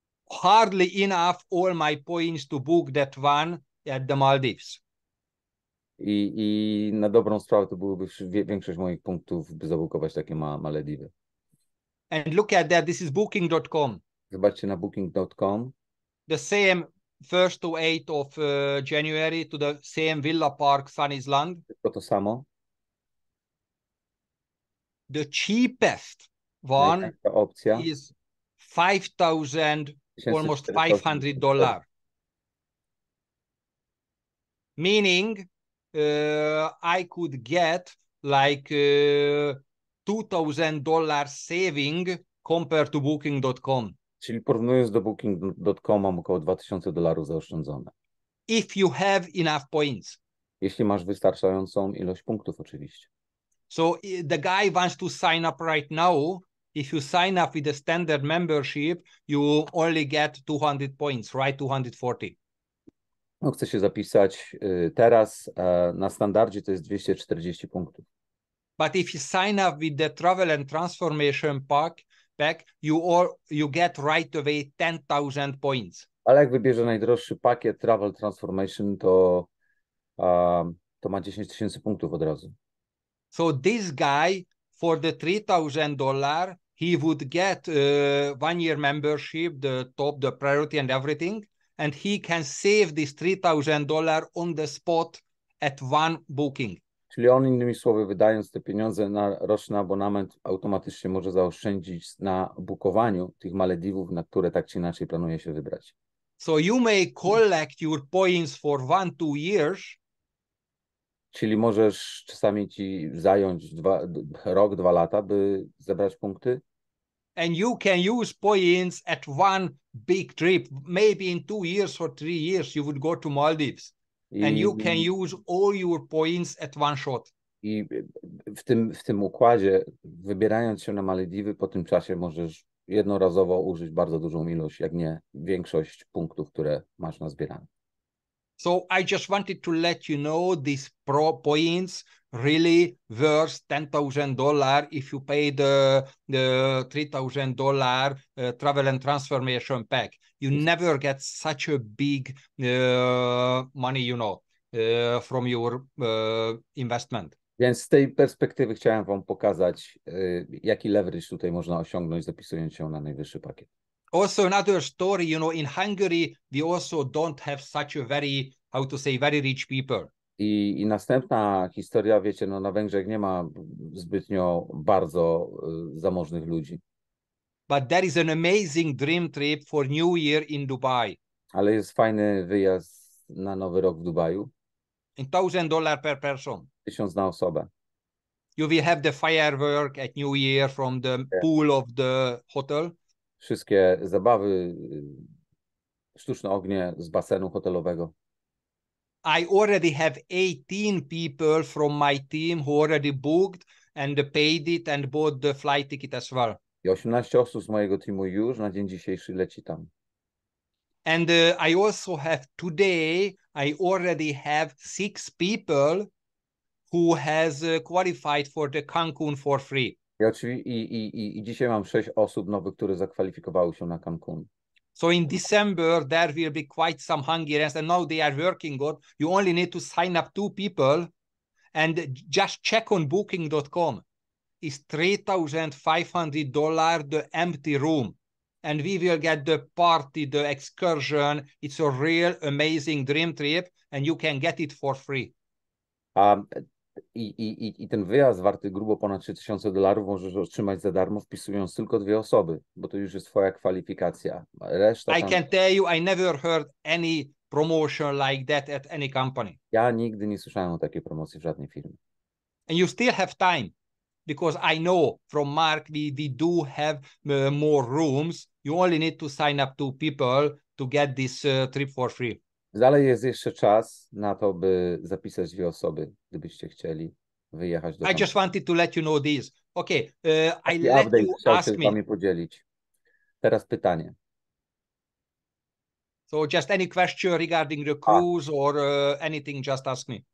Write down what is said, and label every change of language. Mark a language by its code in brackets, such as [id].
[en] Hardly enough all my points to book that one at the Maldives. [pl] I na dobrą sprawę to byłoby większość moich punktów, by zabukować takie Malediwy. [en] And look at that, this is booking.com. [pl] Zobaczcie na booking.com. [en] The same 1st to 8th of January to the same Villa Park, Sun Island. [pl] To samo. [en] The cheapest [pl] Najtańsza [en] one [pl] opcja. [en] is 5,000, almost 500 1480. dollar. Meaning, I could get like $2,000 saving compared to booking.com. [pl] Czyli porównując do booking.com, mam około 2000 dolarów zaoszczędzone. [en] If you have enough points. [pl] Jeśli masz wystarczającą ilość punktów, oczywiście. [en] So the guy wants to sign up right now. If you sign up with a standard membership, you only get 200 points, right? 240. [pl] No, chcę się zapisać teraz. Na standardzie to jest 240 punktów. [en] But if you sign up with the Travel and Transformation pack, you get right away 10,000 points. [pl] Ale jak wybierze najdroższy pakiet Travel Transformation, to ma 10 tysięcy punktów od razu. [en] So this guy for the $3,000, he would get 1 year membership, the top, the priority and everything, and he can save this $3,000 on the spot at one booking. [pl] Czyli on, innymi słowy, wydając te pieniądze na roczny abonament, automatycznie może zaoszczędzić na bukowaniu tych Malediwów, na które tak czy inaczej planuje się wybrać. [en] So you may collect your points for 1-2 years. [pl] Czyli możesz czasami ci zająć rok, 2 lata, by zebrać punkty? [en] And you can use points at one big trip. Maybe in 2 years or 3 years, you would go to Maldives. And you can use all your points at one shot. [pl] I w tym układzie, wybierając się na Malediwy, po tym czasie możesz jednorazowo użyć bardzo dużą ilość, jak nie większość punktów, które masz nazbierane. [en] So I just wanted to let you know these pro points really worth $10,000 if you pay the $3,000 travel and transformation pack. You never get such a big money, from your investment. [pl] Więc z tej perspektywy chciałem wam pokazać, jaki leverage tutaj można osiągnąć, zapisując się na najwyższy pakiet. [en] Also, another story, you know, in Hungary, we also don't have such a very, how to say, very rich people. [pl] I następna historia, wiecie, no na Węgrzech nie ma zbytnio bardzo zamożnych ludzi. [en] But there is an amazing dream trip for New Year in Dubai. [pl] Ale jest fajny wyjazd na Nowy Rok w Dubaju. [en] $1,000 per person. [pl] 1000 na osobę. [en] You will have the firework at New Year from the pool of the hotel. [pl] Wszystkie zabawy, sztuczne ognie z basenu hotelowego. [en] I already have 18 people from my team who already booked and paid it and bought the flight ticket as well. [pl] I 18 osób z mojego teamu już na dzień dzisiejszy leci tam. [en] And I also have today, I already have 6 people who has qualified for the Cancun for free. [pl] I dzisiaj mam 6 osób nowych, które zakwalifikowały się na Cancun. [en] So in December there will be quite some Hungarians and now they are working on. You only need to sign up 2 people and just check on booking.com. It's $3,500 the empty room. And we will get the party, the excursion. It's a real amazing dream trip and you can get it for free. [pl] I ten wyjazd warty grubo ponad $3,000 możesz otrzymać za darmo, wpisując tylko 2 osoby, bo to już jest twoja kwalifikacja. Reszta [en] I [pl] tam... [en] can tell you, I never heard any promotion like that at any company. [pl] Ja nigdy nie słyszałem o takiej promocji w żadnej firmie. [en] And you still have time. Because I know from Mark, we do have more rooms. You only need to sign up 2 people to get this trip for free. [pl] Dalej jest jeszcze czas na to, by zapisać 2 osoby, gdybyście chcieli wyjechać do [en] I just wanted to let you know this. Okay, I [pl] taki [en] let you ask [pl] się [en] me. [pl] Podzielić. Teraz pytanie. [en] So just any question regarding the cruise or anything, just ask me.